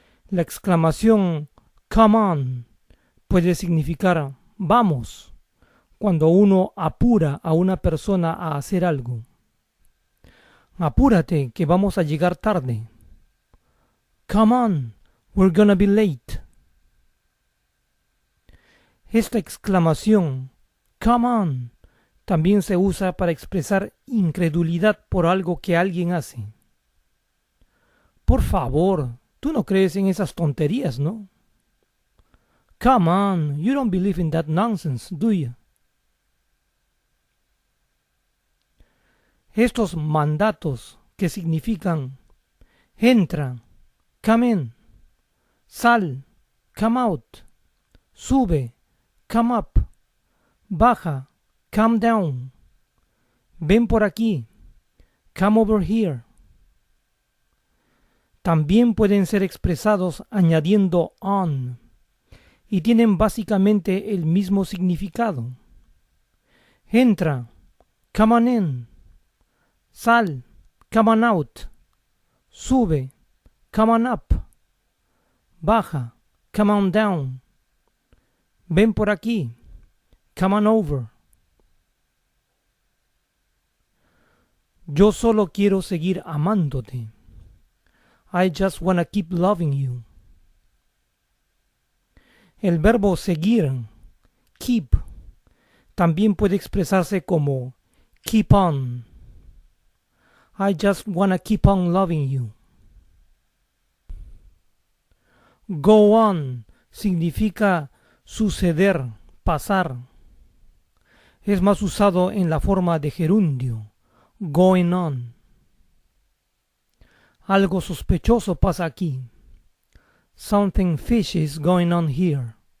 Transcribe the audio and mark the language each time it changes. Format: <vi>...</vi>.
<es>La exclamación come on puede significar vamos, cuando uno apura a una persona a hacer algo. Apúrate, que vamos a llegar tarde.</es> <en>Come on, we're gonna be late.</en> <es>Esta exclamación come on también se usa para expresar incredulidad por algo que alguien hace. Por favor, tú no crees en esas tonterías, ¿no?</es> <en>Come on, you don't believe in that nonsense, do you?</en> <es>Estos mandatos que significan entra,</es> <en>come in,</en> <es>sal,</es> <en>come out,</en> <es>sube,</es> <en>come up,</en> <es>baja,</es> <en>come down,</en> <es>ven por aquí,</es> <en>come over here.</en> <es>También pueden ser expresados añadiendo on, y tienen básicamente el mismo significado. Entra,</es> <en>come on in,</en> <es>sal,</es> <en>come on out,</en> <es>sube,</es> <en>come on up,</en> <es>baja,</es> <en>come on down,</en> <es>ven por aquí,</es> <en>come on over.</en> <es>Yo solo quiero seguir amándote.</es> <en>I just wanna keep loving you.</en> <es>El verbo seguir, keep, también puede expresarse como keep on.</es> <en>I just wanna keep on loving you.</en> <es>Go on significa suceder, pasar. Es más usado en la forma de gerundio, going on. Algo sospechoso pasa aquí.</es> <en>Something fishy is going on here.</en>